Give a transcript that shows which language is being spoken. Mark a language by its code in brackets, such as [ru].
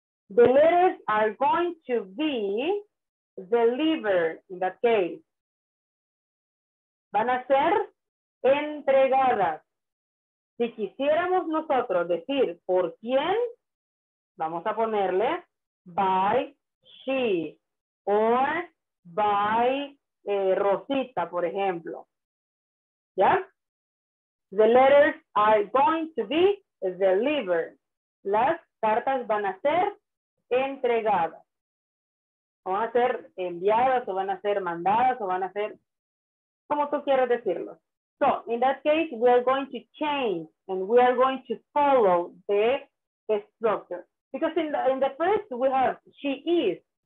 [en] The letters are going to be delivered, in that case. [es] Van a ser entregadas. Si quisiéramos nosotros decir por quién, vamos a ponerle [en] by she or by Rosita, [es] por ejemplo. ¿Ya? [en] The letters are going to be delivered. [es] Las cartas van a ser entregadas. O van a ser enviadas, o van a ser mandadas, o van a ser como tú quieras decirlo. [en] So, in that case, we are going to change and we are going to follow the structure. Because in the first, we have she is.